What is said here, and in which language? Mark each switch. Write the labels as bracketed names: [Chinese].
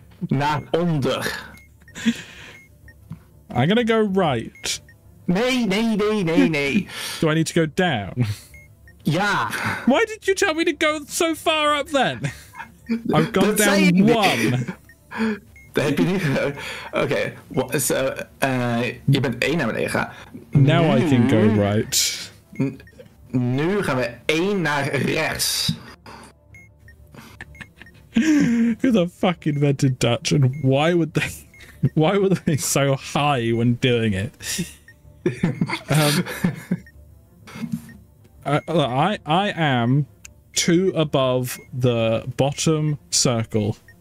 [Dutch] Naar onder. [English] I'm gonna go right. [Dutch] Nee. [English] Do I need to go down? Yeah. Why did you tell me to go so far up then? I've gone down one. [Dutch] Heb je niet gehoord? [English] Okay, so, [Dutch] je bent één naar beneden gegaan. [English] Now I can go right. [Dutch] Nu gaan we één naar rechts. [English] Who the fuck invented Dutch and why were they so high when doing it? I am two above the bottom circle.